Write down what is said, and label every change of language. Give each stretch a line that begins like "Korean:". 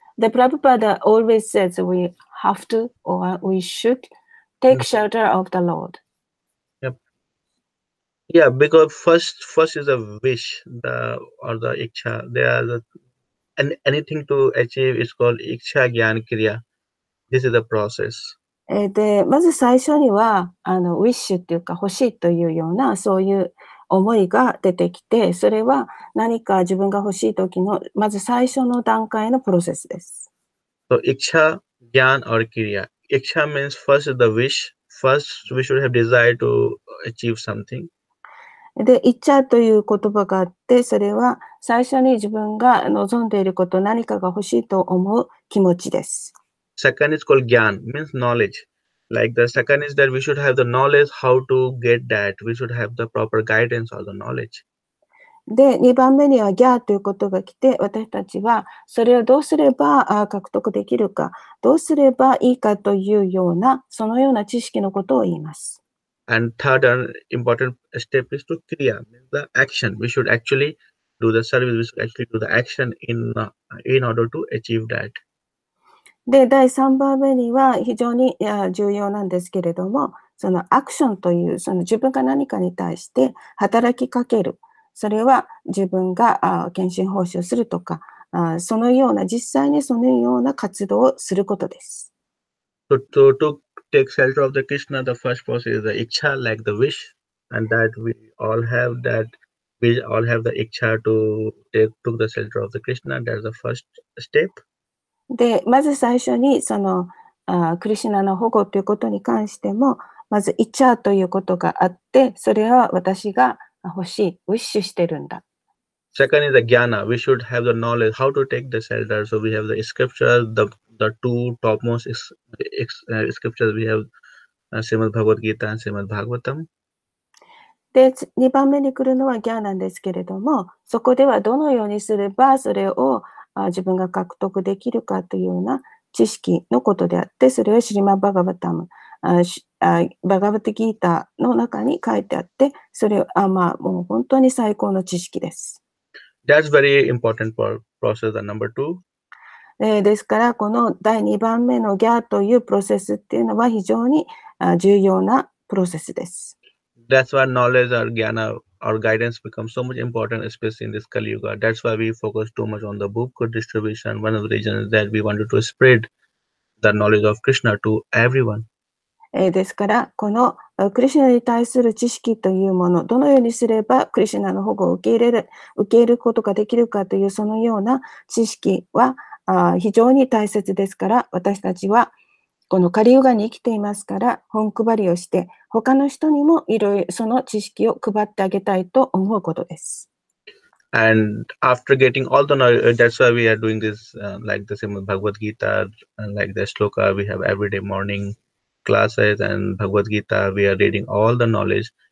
English: The Prabhupada always says we have to or we should take shelter of the Lord. Yep. Yeah, because first is a wish, the or the ichha. There are anything to achieve is called ichha gyan kriya. This is the process.
Japanese: で、まず最初にはあの wish っていうか欲しいというようなそういう思いが出てきて、それは何か自分が欲しい時のまず最初の段階のプロセスです。
English: So, Iksha, Gyan, or Kriya. Iksha means first the wish. First, we should have desire to achieve something.
Japanese: で、Iksha という言葉があって、それは最初に自分が望んでいること、何かが欲しいと思う気持ちです。
English: Second is called Gyan, means knowledge. Like the second is that we should have the knowledge how to get that. We should have the proper guidance or the knowledge.
Japanese: で、2番目にはギャーということが来て、私たちはそれをどうすれば獲得できるか、どうすればいいかというような、そのような知識のことを言います。
English: And third and important step is to kriya, means the action. We should actually do the service, we should actually do the action in order to achieve that.
Japanese: で、第3番目には非常に重要なんですけれども、そのアクションという、その自分が何かに対して働きかける、それは自分が献身奉仕をするとか、そのような、実際にそのような活動をすることです。
English: To take shelter of the Krishna, the first process is the Iksha, like the wish, and that we all have that, we all have the Iksha to take to the shelter of the Krishna, that's the first step.
Japanese: で、まず最初にそのクリシュナの保護ということに関しても、まずイチャーということがあって、それは私が欲しい、ウィッシュしてるんだ。
English: Second is the jnana. We should have the knowledge how to take the shelter. So we have the scriptures, the two topmost scriptures. We have Srimad Bhagavad Gita and Srimad Bhagavatam.
Japanese: で、2番目に来るのはギャーなんですけれども、そこではどのようにすればそれを自分が獲得できるかというような知識のことであって、それはシリマバガバタム、バガバタギータの中に書いてあって、それはまあもう本当に最高の知識です。
English: That's very important process, the number two.
Japanese: ですから、この第2番目のギャーというプロセスっていうのは非常に重要なプロセスです。
English: That's why knowledge or jnana or guidance becomes so much important, especially in this Kali Yuga. That's why we focus too much on the book distribution. One of the reasons that we wanted to spread the knowledge of Krishna to everyone.
Japanese: ですから、このクリシナに対する知識というもの、どのようにすればクリシナの保護を受け入れることができるかというそのような知識は非常に大切ですから、私たちはこのカリウガに生きていますから、本配りをして、他の人にもいろいろその知識を配ってあげたいと思うことです。
English: And after getting all the knowledge, that's why we are doing this, like the same Bhagavad Gita, and like the shloka, we have everyday morning classes and Bhagavad Gita, we are reading all the knowledge.